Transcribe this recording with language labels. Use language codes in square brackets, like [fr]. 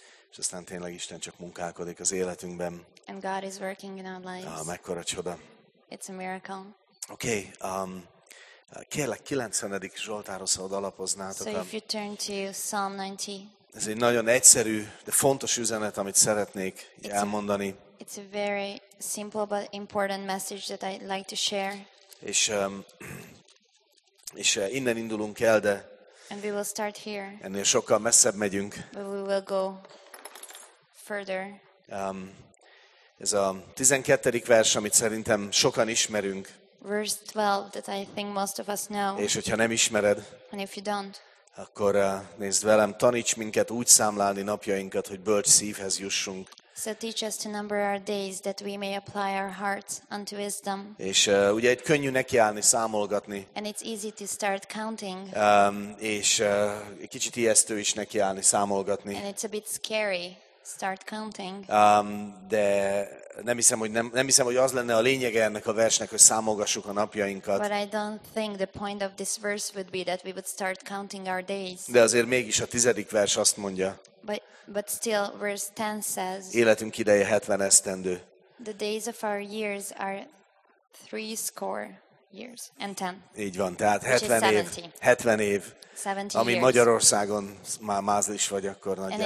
[hu] És aztán tényleg Isten csak munkálkodik az életünkben. [en] And God is working in our lives. [hu] Mekkora csoda. [en] It's a miracle. [hu] Okay, kérlek, 90. Zsoltárhoz, ha odalapoznátok. [en] So if you turn to Psalm 90. [hu] Ez egy nagyon egyszerű, de fontos üzenet, amit szeretnék elmondani. [en] It's a very simple but important message that I'd like to share. [hu] És innen indulunk el, de [en] and we will start here. [hu] Ennél sokkal messzebb megyünk. [en] But we will go further. [hu] Ez a 12. vers, amit szerintem sokan ismerünk. [en] Verse 12 that I think most of us know. [hu] És hogyha nem ismered, [en] and if you don't, [hu] akkor nézd velem, taníts minket úgy számlálni napjainkat, hogy bölcs szívhez jussunk. [en] So teach us to number our days that we may apply our hearts unto wisdom. [hu] És ugye itt könnyű nekiállni, számolgatni. [en] And it's easy to start counting. [hu] És kicsit ijesztő is nekiállni, számolgatni. [en] And it's a bit scary. Start counting. [hu] De nem hiszem, hogy az lenne a lényege ennek a versnek, hogy számolgassuk a napjainkat. [en] But I don't think the point of this verse would be that we would start counting our days. [hu] De azért mégis a 10. vers azt mondja. [en] But still verse 10 says. [hu] Életünk ideje 70 esztendő. [en] The days of our years are 70. years and 10. [hu] Így van, tehát 70 év. 70 év. 70 ami [en] years. [hu] Magyarországon már mázlis vagy akkor nagyjából.